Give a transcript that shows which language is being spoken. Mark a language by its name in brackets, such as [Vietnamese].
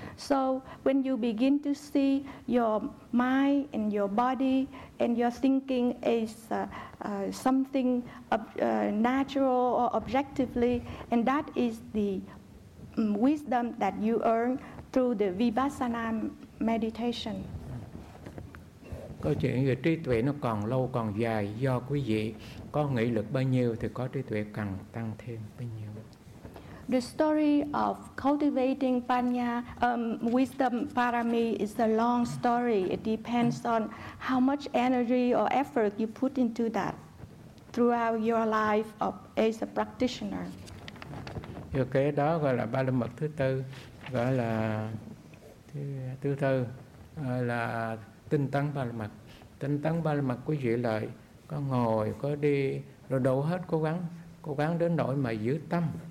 [English] So when you begin to see your mind and your body and your thinking is something natural or objectively, and that is the wisdom that you earn through the Vipassana meditation. [Vietnamese] Câu chuyện về trí tuệ nó còn lâu còn dài, do quý vị có nghị lực bao nhiêu thì có trí tuệ càng tăng thêm bao nhiêu. [English] The story of cultivating panya, wisdom parami is a long story. It depends on how much energy or effort you put into that throughout your life of, as a practitioner. [Vietnamese] Điều kế đó gọi là ba la mật thứ tư, gọi là thứ tư, gọi là tinh tấn ba la mật. Tinh tấn ba la mật quý vị lợi, có ngồi, có đi, rồi đủ hết cố gắng đến nỗi mà giữ tâm.